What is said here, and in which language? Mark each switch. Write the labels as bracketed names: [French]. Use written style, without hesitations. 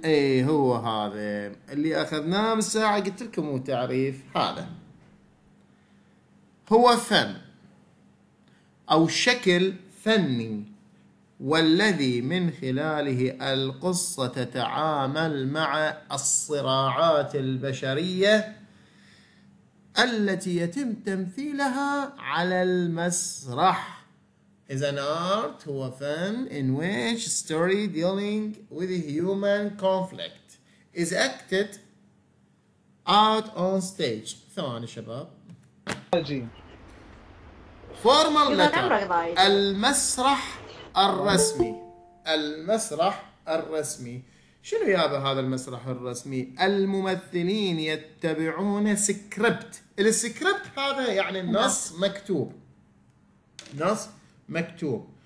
[Arabic] ايه هو هذا اللي اخذناه من ساعة قلت لكم، هو تعريف هذا هو فن او شكل فني، والذي من خلاله القصة تتعامل مع الصراعات البشرية التي يتم تمثيلها على المسرح. إذا [English] art [Arabic] هو فن [English] in which story dealing with human conflict is acted out on stage. [Arabic] ثواني شباب. [English] formal letter [Arabic] المسرح الرسمي. المسرح الرسمي شنو يابا؟ هذا المسرح الرسمي، الممثلين يتبعون سكريبت. السكريبت هذا يعني نص مكتوب، نص مكتوب.